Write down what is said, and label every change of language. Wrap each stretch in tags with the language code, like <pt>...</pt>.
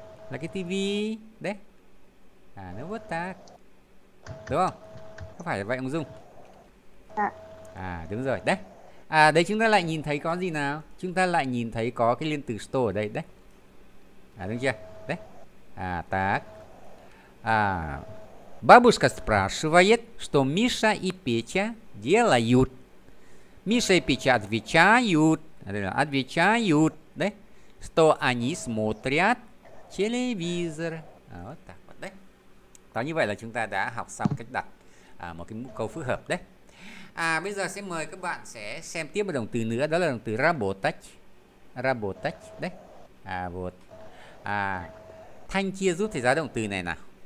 <vi>Là cái TV, да? À, nó vô ta. Đúng không? Có phải vậy không Dung? À, đúng rồi, đấy. À, đấy chúng ta lại nhìn thấy có gì nào? Chúng ta lại nhìn thấy có cái liên từ store ở đây, đấy. À, đúng chưa? Đấy. À,</vi> <ru>так. À, бабушка спрашивает, что Миша и Петя делают. Миша и Петя отвечают. Отвечают. Đấy. Что они смотрят телевизор. А, вот так вот, đấy.</ru> <vi>Đó, như vậy là chúng ta đã học xong cách đặt một cái câu phức hợp, đấy. À, bây giờ sẽ mời các bạn sẽ xem tiếp một động từ nữa. Đó là động từ работать. Работать, đấy.</vi> <ru>À, вот.</ru> <vi>À, Thanh chia giúp thầy giáo động từ này nào.</vi>